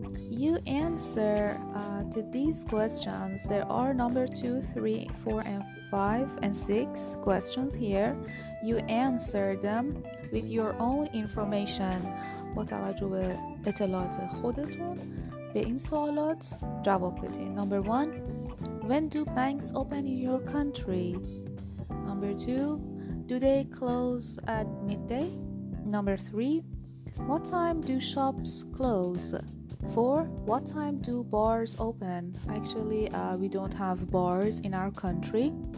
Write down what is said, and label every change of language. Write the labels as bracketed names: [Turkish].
[English] You answer to these questions. There are number 2, 3, 4, 5, and 6 questions here. You answer them with your own information. [Persian] با توجه به اطلاعات خودتون به این سوالات جواب بدین. [English] Number 1. When do banks open in your country? Number 2. Do they close at midday? Number 3. What time do shops close? 4. What time do bars open? Actually, we don't have bars in our country.